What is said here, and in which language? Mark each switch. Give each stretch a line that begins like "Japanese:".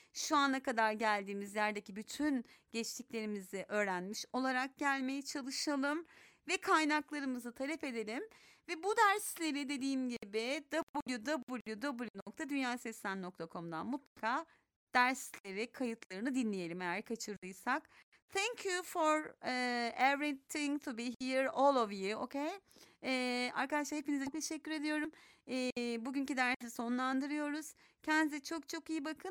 Turkish: Şu ana kadar geldiğimiz yerdeki bütün geçtiklerimizi öğrenmiş olarak gelmeye çalışalım. Ve kaynaklarımızı talep edelim. Ve bu dersleri dediğim gibi www.dünyaseslen.com'dan mutlaka dersleri, kayıtlarını dinleyelim eğer kaçırdıysak.
English: Thank you for everything to be here, all of you, okay?
Turkish: Arkadaşlar hepinize teşekkür ediyorum. Bugünkü dersi sonlandırıyoruz. Kendinize çok çok iyi bakın.